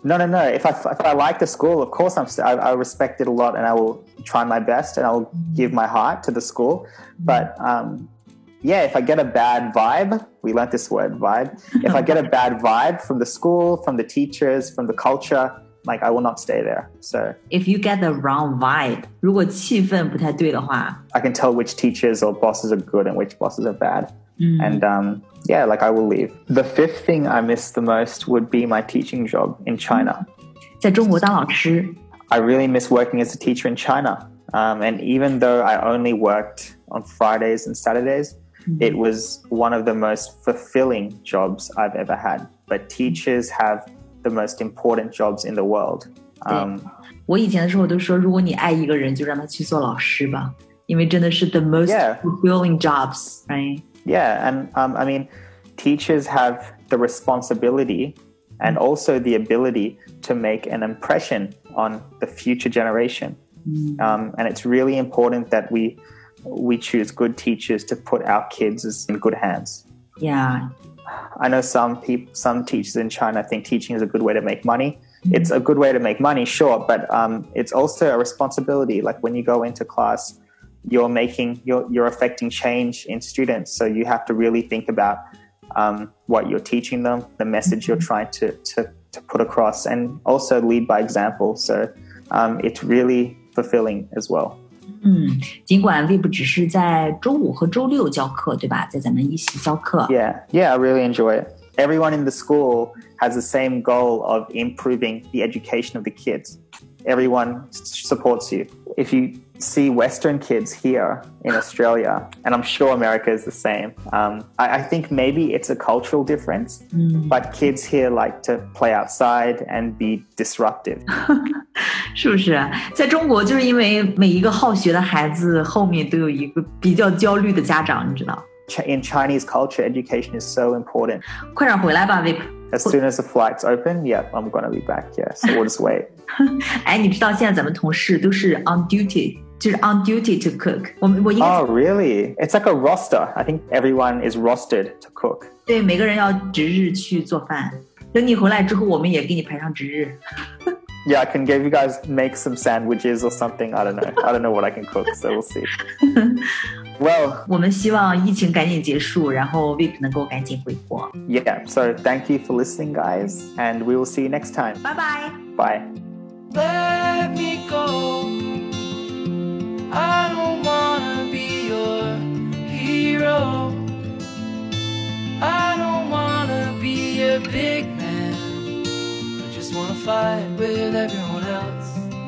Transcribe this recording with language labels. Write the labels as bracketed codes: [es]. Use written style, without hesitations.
[en] No. If I like the school, of course, I respect it a lot and I will try my best and I will give my heart to the school. But... Yeah, if I get a bad vibe, we learned this word, vibe. If I get a bad vibe from the school, from the teachers, from the culture, like, I will not stay there. So, if you get the wrong vibe, [zh] 如果气氛不太对的话 [en] I can tell which teachers or bosses are good and which bosses are bad. And, yeah, like, I will leave. The fifth thing I miss the most would be my teaching job in China. [zh] 在中国当老师 [en] I really miss working as a teacher in China. And even though I only worked... on Fridays and Saturdays, it was one of the most fulfilling jobs I've ever had. But teachers have the most important jobs in the world. [zh] 我以前的时候都说如果你爱一个人就让他去做老师吧因为真的是 [en] the most fulfilling jobs, right? Yeah, and I mean, teachers have the responsibility and also the ability to make an impression on the future generation. And it's really important that we choose good teachers to put our kids in good hands. Yeah. I know some teachers in China think teaching is a good way to make money. It's a good way to make money, sure, but it's also a responsibility. Like when you go into class, you're affecting change in students. So you have to really think about what you're teaching them, the message you're trying to put across, and also lead by example. So it's really fulfilling as well. [zh] 尽管 Vip 只是在周五和周六教课对吧在咱们一起教课 [en] Yeah, I really enjoy it Everyone in the school has the same goal of improving the education of the kids Everyone supports you If you see Western kids here in Australia And I'm sure America is the same I think maybe it's a cultural difference But kids here like to play outside and be disruptive [zh] 是不是在中国就是因为每一个好学的孩子后面都有一个比较焦虑的家长你知道 [en] In Chinese culture, education is so important [zh] 快点回来吧 Vip [en] As soon as the flight's open, yeah, I'm gonna be back, yeah, so we'll just wait [zh] 哎你知道现在咱们同事都是 on duty 就是 [en] on duty to cook [zh] 我应该 [en] Oh, really? It's like a roster, I think everyone is rostered to cook [zh] 对每个人要值日去做饭等你回来之后我们也给你排上值日 [en] Yeah, I can give you guys make some sandwiches or something. I don't know. I don't know what I can cook, so we'll see. Well, [zh] 我们希望疫情赶紧结束，然后 Vip 能够赶紧回国。 [en] Yeah, so thank you for listening, guys, and we will see you next time. Bye bye. Bye. Let me go. I don't wanna be your hero. I don't wanna be a big man. Wanna fight with everyone else?